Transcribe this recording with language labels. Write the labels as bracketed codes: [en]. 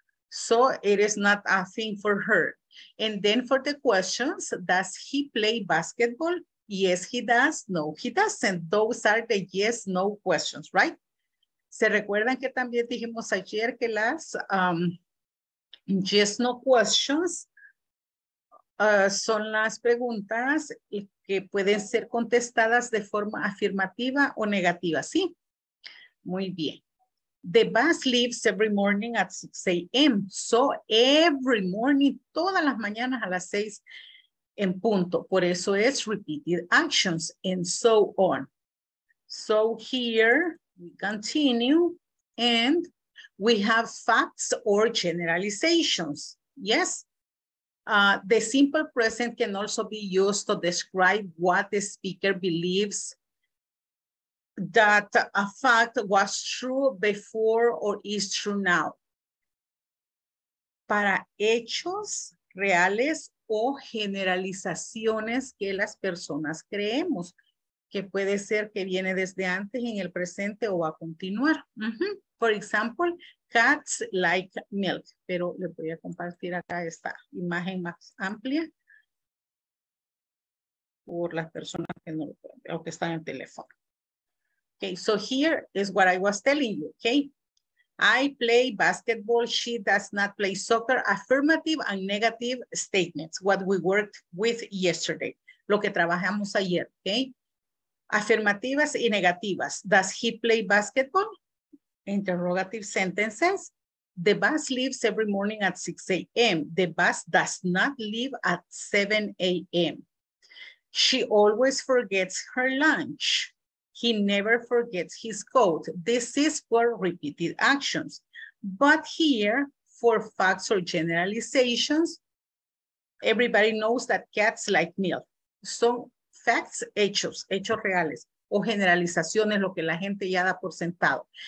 [en] So it is not a thing for her. And then for the questions, does he play basketball? Yes, he does. No, he doesn't. Those are the yes, no questions, right? [es] ¿Se recuerdan que también dijimos ayer que las [en] yes, no questions [es] son las preguntas que pueden ser contestadas de forma afirmativa o negativa? Sí. Muy bien. [en] The bus leaves every morning at 6 a.m. So every morning, [es] todas las mañanas a las 6 en punto. Por eso es [en] repeated actions and so on. So here we continue and we have facts or generalizations. Yes. The simple present can also be used to describe what the speaker believes that a fact was true before or is true now. [es] Para hechos reales o generalizaciones que las personas creemos, que puede ser que viene desde antes en el presente o va a continuar. Mm-hmm. [en] For example, cats like milk. [es] Pero le voy a compartir acá esta imagen más amplia por las personas que no lo pueden ver o que están en teléfono. [en] Okay, so here is what I was telling you, okay? I play basketball, she does not play soccer, affirmative and negative statements, what we worked with yesterday, [es] lo que trabajamos ayer, [en] okay? [es] Afirmativas y negativas. [en] Does he play basketball? Interrogative sentences. The bus leaves every morning at 6 a.m. The bus does not leave at 7 a.m. She always forgets her lunch. He never forgets his coat. This is for repeated actions. But here, for facts or generalizations, everybody knows that cats like milk. [es] Son facts, hechos, hechos reales, o generalizaciones, lo que la gente ya da por sentado.